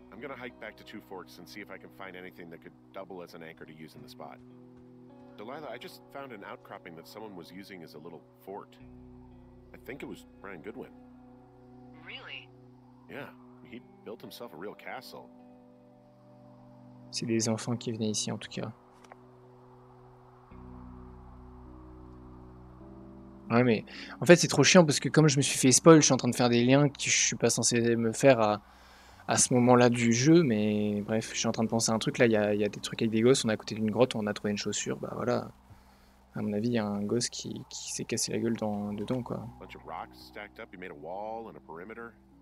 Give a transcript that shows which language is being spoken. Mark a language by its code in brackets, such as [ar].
[en] I'm gonna hike back to Two Forks and see if I can find anything that could double as an anchor to use in the spot. Delilah, I just found an outcropping that someone was using as a little fort. I think it was Brian Goodwin. Really? Yeah. He built himself a real castle. [fr] C'est des enfants qui venaient ici en tout cas. Ouais, mais en fait c'est trop chiant parce que comme je me suis fait spoil, je suis en train de faire des liens que je suis pas censé me faire à ce moment-là du jeu, mais bref, je suis en train de penser à un truc là, il y a des trucs avec des gosses, on est à côté d'une grotte, on a trouvé une chaussure, bah voilà. À mon avis, il y a un gosse qui s'est cassé la gueule dedans quoi. [en] Bunch of rocks stacked up, you made a wall and a perimeter.